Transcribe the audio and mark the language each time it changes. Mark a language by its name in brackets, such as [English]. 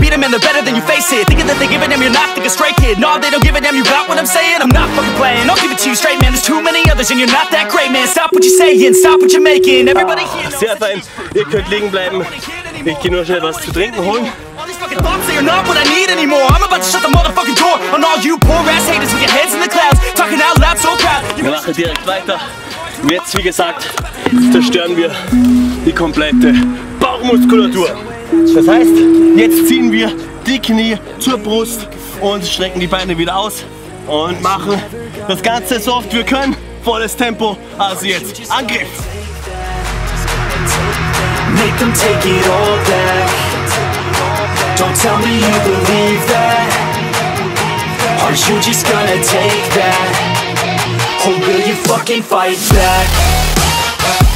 [English] They're better than you face it. Thinking that they're giving them, you're not the straight kid. No, they don't give a damn, you got what I'm saying? I'm not fucking playing, I'll give it to you straight, man. There's too many others and you're not that great, man. Stop what you're saying, stop what you're making. Everybody here knows. [German] Sehr fein, ihr könnt liegen bleiben. Ich geh nur schnell was zu trinken holen. Wir machen direkt weiter. Jetzt, wie gesagt, zerstören wir die komplette Bauchmuskulatur. Das heißt, jetzt ziehen wir die Knie zur Brust und strecken die Beine wieder aus und machen das Ganze so oft wir können. Volles Tempo, also jetzt Angriff! [English] Make them take it all back. Don't tell me you believe that. Are you just gonna take that? Or will you fucking fight back?